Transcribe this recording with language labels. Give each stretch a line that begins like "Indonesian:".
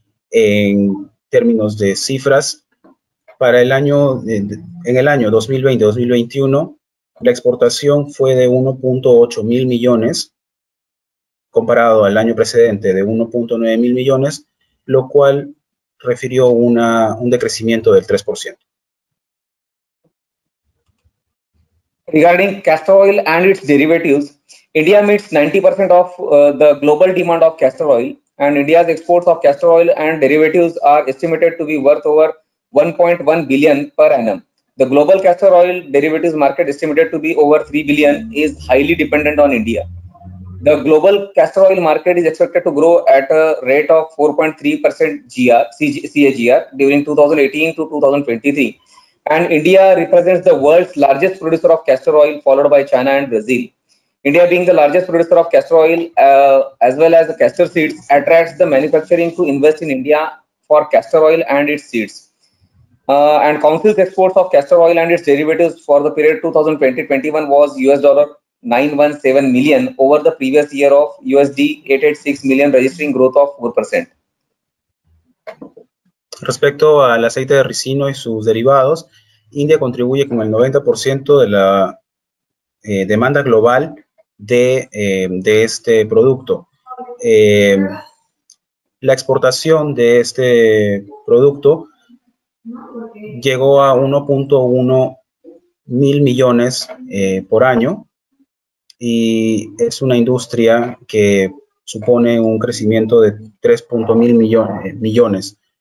Spanish: En términos de cifras, para el año, en el año 2020-2021, la exportación fue de 1.8 mil millones, comparado al año precedente de 1.9 mil millones, lo cual refirió un decrecimiento del 3%.
English: Regarding castor oil and its derivatives, India meets 90% of the global demand of castor oil, and India's exports of castor oil and derivatives are estimated to be worth over 1.1 billion per annum. The global castor oil derivatives market, estimated to be over 3 billion, is highly dependent on India. The global castor oil market is expected to grow at a rate of 4.3% CAGR during 2018 to 2023. And India represents the world's largest producer of castor oil, followed by China and Brazil. India, being the largest producer of castor oil as well as the castor seeds, attracts the manufacturing to invest in India for castor oil and its seeds. And Council's exports of castor oil and its derivatives for the period 2020-21 was US$917 million over the previous year of USD 886 million, registering growth of 4%.
Spanish: Respecto al aceite de ricino y sus derivados, India contribuye con el 90% de la demanda global de este producto. La exportación de este producto llegó a 1.1 mil millones por año y es una industria que supone un crecimiento de 3.1 millones.